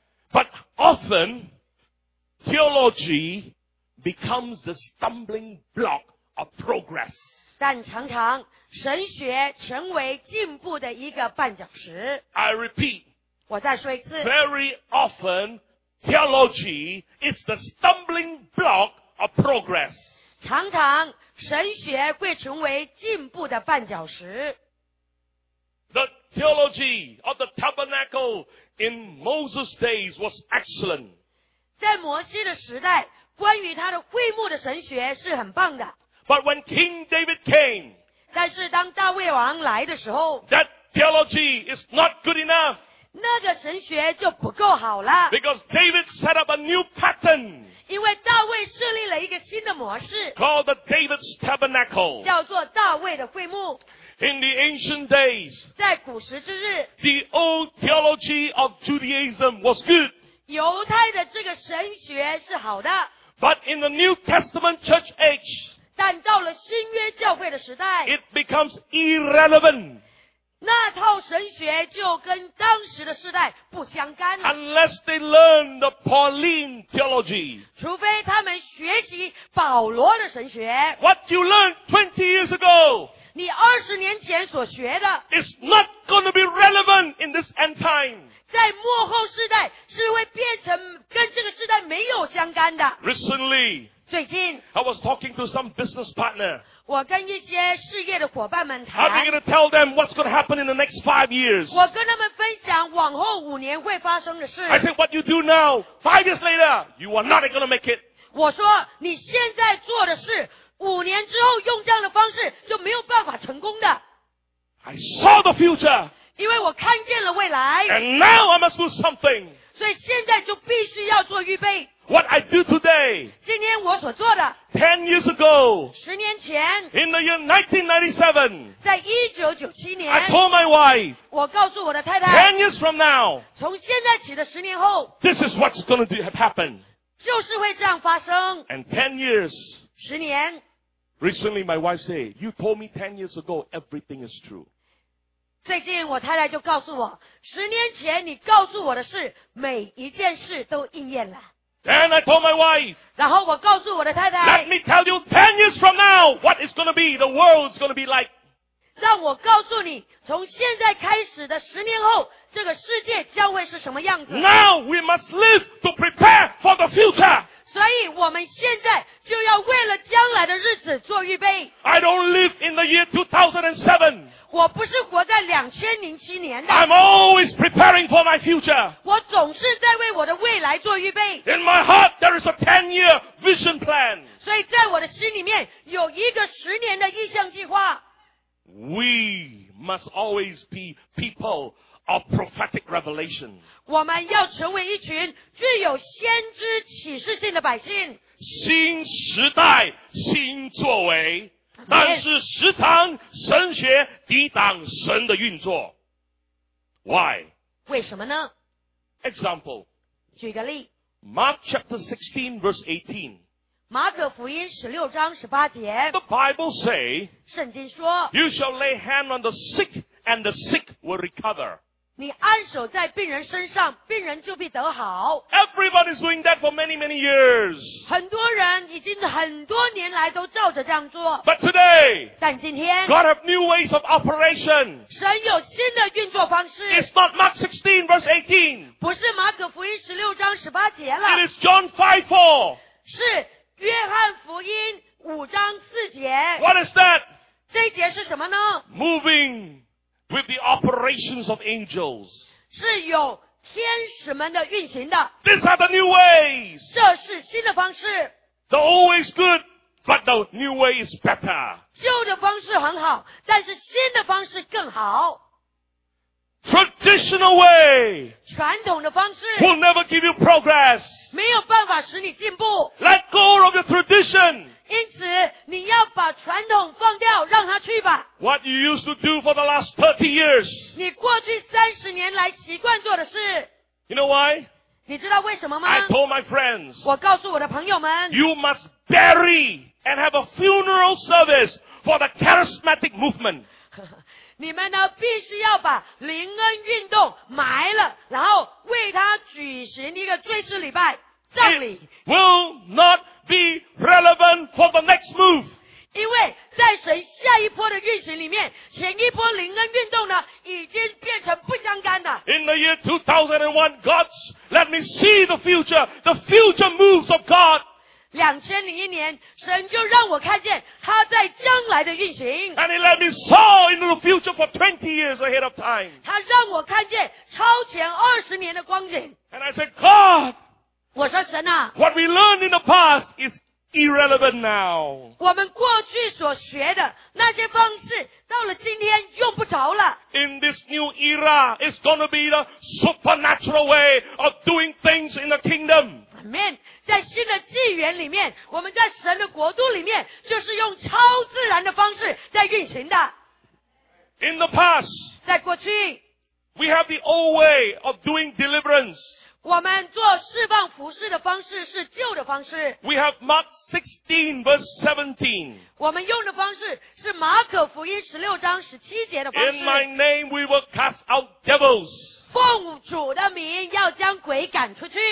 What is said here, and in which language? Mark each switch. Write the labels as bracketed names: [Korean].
[English] But often, theology becomes the stumbling block of progress. [Chinese] 但常常神学成为进步的一个绊脚石。 [English] I repeat. [Chinese] 我再说一次。 [English] Very often,Theology is the stumbling block of progress. [Chinese] 常常神学会成为进步的绊脚石。 [English] The theology of the tabernacle in Moses' days was excellent. [Chinese] 在摩西的时代，关于他的会幕的神学是很棒的。 [English] But when King David came, [Chinese] 但是当大卫王来的时候 [English] ，That theology is not good enough. [Chinese] 那个神学就不够好了。 [English] Because David set up a new pattern. [Chinese] 因为大卫设立了一个新的模式 [English] ，called the David's tabernacle. [Chinese] 叫做大卫的会幕。 [English] In the ancient days, [Chinese] 在古时之日 [English] ，the old theology of Judaism was good. [Chinese] 犹太的这个神学是好的。 [English] But in the New Testament church age, [Chinese] 但到了新约教会的时代 [English] ，it becomes irrelevant. [Chinese] 那套神学就跟当时的时代不相干了。 [English] Unless they learn the Pauline theology, [Chinese] 除非他们学习保罗的神学。 [English] What you learned 20 years ago. [Chinese] 你二十年前所学的 [English] ，is not going to be relevant in this end time. [Chinese] 在末后世代是会变成跟这个世代没有相干的。 [English] Recently, [Chinese] 最近 [English] ，I was talking to some business partner. [Chinese] 我跟一些事业的伙伴们谈。 [English] I'm going to tell them what's going to happen in the next 5 years. [Chinese] 我跟他们分享往后五年会发生的事。 [English] I said, what you do now, 5 years later, you are not going to make it. [Chinese] 我说你现在做的事。五年之后用这样的方式就没有办法成功的。 [English] I saw the future. [Chinese] 因为我看见了未来。 [English] And now I must do something. [Chinese] 所以现在就必须要做预备。 [English] What I do today. [Chinese] 今天我所做的。 [English] 10 years ago. [Chinese] 十年前。 [English] In the year 1997. [Chinese] 在1997年。 [English] I told my wife. [Chinese] 我告诉我的太太。 [English] 10 years from now. [Chinese] 从现在起的十年后。 [English] This is what's going to happen. [Chinese] 就是会这样发生。 [English] And 10 years. [Chinese] 十年。 [English] Recently, my wife said, "You told me 10 years ago everything is true." [Chinese] 最近我太太就告诉我，十年前你告诉我的事，每一件事都应验了。 [English] Then I told my wife. [Chinese] 然后我告诉我的太太。 [English] Let me tell you 10 years from now what it's going to be. The world is going to be like. [Chinese] 让我告诉你，从现在开始的十年后，这个世界将会是什么样子。 [English] Now we must live to prepare for the future. [Chinese] 所以我们现在就要为了将来的日子做预备。 [English] I don't live in the year 2007. [Chinese] 我不是活在2007年的。 [English] I'm always preparing for my future. [Chinese] 我总是在为我的未来做预备。 [English] In my heart, there is a 10-year vision plan. [Chinese] 所以在我的心里面有一个十年的意向计划。 [English] We must always be people. Of prophetic revelation. [Chinese] 我们要成为一群具有先知启示性的百姓。新时代，新作为，但是时常神学抵挡神的运作。 [English] Why? [Chinese] 为什么呢？ [English] Example. [Chinese] 举个例。 [English] Mark chapter 16 verse 18. [Chinese] 马可福音16章18节 [English] The Bible say, [Chinese] 圣经说 [English] You shall lay hand on the sick and the sick will recover. [Chinese] 你按手在病人身上，病人就必得好。 [English] Everybody's doing that for many, many years. [Chinese] 很多人已经很多年来都照着这样做。 [English] But today, [Chinese] 但今天 [English] God have new ways of operation. [Chinese] 神有新的运作方式。 [English] It's not Mark 16 verse 18. [Chinese] 不是马可福音16章18节了。 [English] It is John 5:4. [Chinese] 是约翰福音5章4节。 [English] What is that? [Chinese] 这一节是什么呢？ [English] Moving. With the operations of angels. [Chinese] 是有天使们的运行的。 [English] These are the new ways. [Chinese] 这是新的方式。 [English] The old way is good, but the new way is better. [Chinese] 旧的方式很好，但是新的方式更好。 [English] Traditional way. [Chinese] 传统的方式。 [English] Will never give you progress. [Chinese] 没有办法使你进步。 [English] Let go of your tradition. [Chinese] 因此你要把传统放掉让它去吧。 [English] What you used to do for the last 30 years. [Chinese] 你过去30年来习惯做的事。 [English] You know why? [Chinese] 你知道为什么吗? [English] I told my friends. [Chinese] 我告诉我的朋友们。 [English] You must bury and have a funeral service for the charismatic movement. [Chinese] 你们呢必须要把灵恩运动埋了然后为它举行一个追思礼拜。葬礼。 [English] It will not be relevant for the next move. [Chinese] 因为在神下一波的运行里面，前一波灵恩运动呢，已经变成不相干的。 [English] In the year 2001, God, let me see the future moves of God. [Chinese] 2001年，神就让我看见他在将来的运行。 [English] And he let me saw into the future for 20 years ahead of time. [Chinese] 他让我看见超前20年的光景。 [English] And I said, God, [Chinese] 我说神啊， [English] What we learned in the past is irrelevant now. [Chinese] 我们过去所学的那些方式到了今天用不着了。 [English] In this new era, it's going to be the supernatural way of doing things in the kingdom. Amen. [Chinese] 在新的纪元里面，我们在神的国度里面，就是用超自然的方式在运行的。 [English] In the past, [Chinese] 在过去， [English] we have the old way of doing deliverance. [Chinese] 我们做释放服事的方式是旧的方式。 [English] We have Mark 16 verse 17. [Chinese] 我们用的方式是马可福音16章17节的方式。 [English] In my name we will cast out devils. [Chinese] 奉主的名要将鬼赶出去。